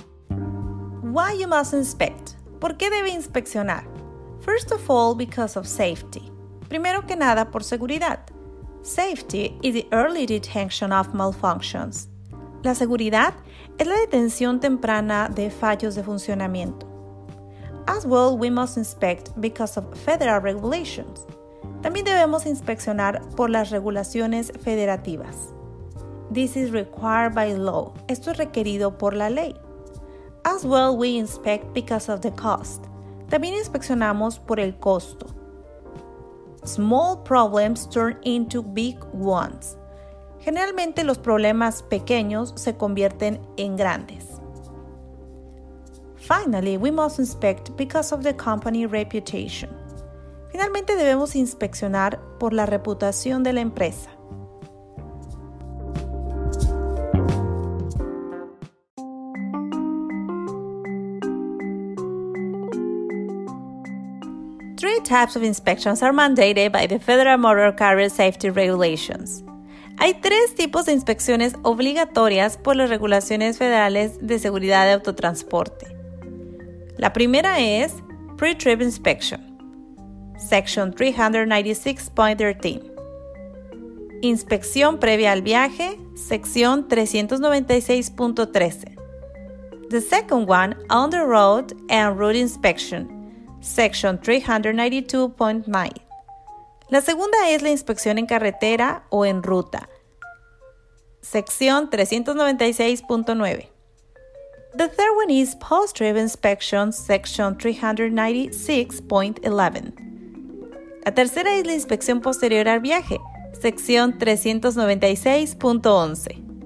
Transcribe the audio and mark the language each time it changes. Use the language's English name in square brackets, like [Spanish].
[English] Why you must inspect? [Spanish] ¿Por qué debe inspeccionar? [English] First of all, because of safety. [Spanish] Primero que nada, por seguridad. [English] Safety is the early detection of malfunctions. [Spanish] La seguridad es la detención temprana de fallos de funcionamiento. [English] As well, we must inspect because of federal regulations. [Spanish] También debemos inspeccionar por las regulaciones federativas. [English] This is required by law. [Spanish] Esto es requerido por la ley. [English] As well, we inspect because of the cost. [Spanish] También inspeccionamos por el costo. [English] Small problems turn into big ones. [Spanish] Generalmente, los problemas pequeños se convierten en grandes. [English] Finally, we must inspect because of the company reputation. [Spanish] Finalmente, debemos inspeccionar por la reputación de la empresa. [English] Three types of inspections are mandated by the Federal Motor Carrier Safety Regulations. [Spanish] Hay tres tipos de inspecciones obligatorias por las regulaciones federales de seguridad de autotransporte. La primera es [English] Pre-Trip Inspection, Section 396.13. [Spanish] Inspección previa al viaje, Sección 396.13. [English] The second one, On the Road and Route Inspection, Section 392.9. [Spanish] La segunda es la inspección en carretera o en ruta, Sección 396.9. [English] The third one is Post-Trip Inspection, Section 396.11. [Spanish] La tercera es la inspección posterior al viaje, Sección 396.11.